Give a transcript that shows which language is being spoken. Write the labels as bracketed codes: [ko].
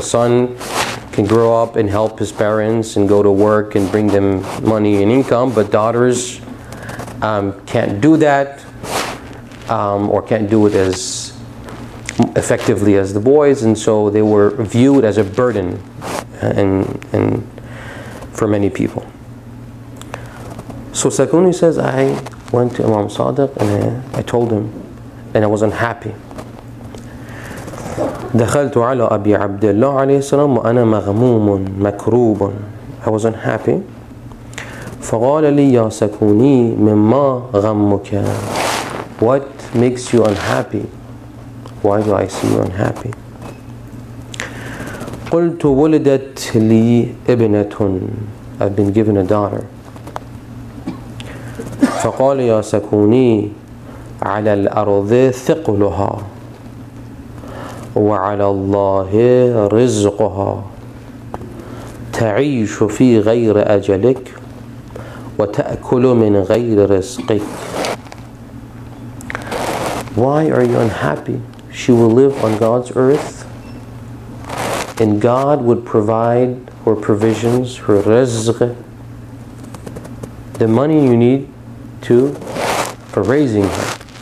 [en] A son can grow up and help his parents and go to work and bring them money and income, but daughters can't do that, or can't do it as effectively as the boys, and so they were viewed as a burden and for many people. So Sakuni says, I went to Imam Sadiq and I told him, and I was unhappy. [ar] دخلت على أبي عبد الله عليه السلام وأنا مغموم مكروب. [en] I was unhappy. [ar] فقال لي يا سكوني مما غمك. [en] What makes you unhappy? Why do I see you unhappy? [ar] قلت ولدت لي ابنة. [en] I've been given a daughter. [ar] فقال يا سكوني على الأرض ثقلها. وعلى الله رزقها تعيش في غير أجلك وتأكل من غير رزقك. [en] Why are you unhappy? She will live on God's earth, and God would provide her provisions, her rizq, the money you need to for raising her.